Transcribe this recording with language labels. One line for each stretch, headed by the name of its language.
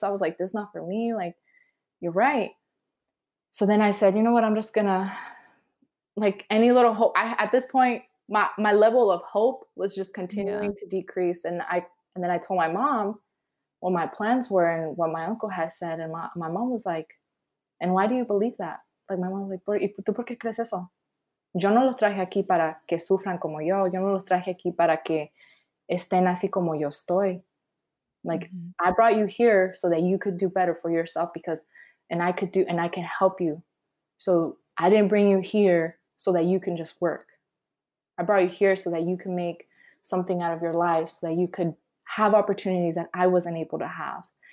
English: So I was like, this is not for me. Like, you're right. So then I said, you know what? I'm just gonna, like any little hope. I, at this point, my level of hope was just continuing to decrease. And then I told my mom what my plans were and what my uncle had said. And my mom was like, and why do you believe that? Like, my mom's like,
Spanish: ¿tú por qué crees eso? Yo no los traje aquí para que sufran como yo. Yo no los traje aquí para que estén así como yo estoy.
English: Like, I brought you here so that you could do better for yourself, because, and I can help you. So I didn't bring you here so that you can just work. I brought you here so that you can make something out of your life, so that you could have opportunities that I wasn't able to have.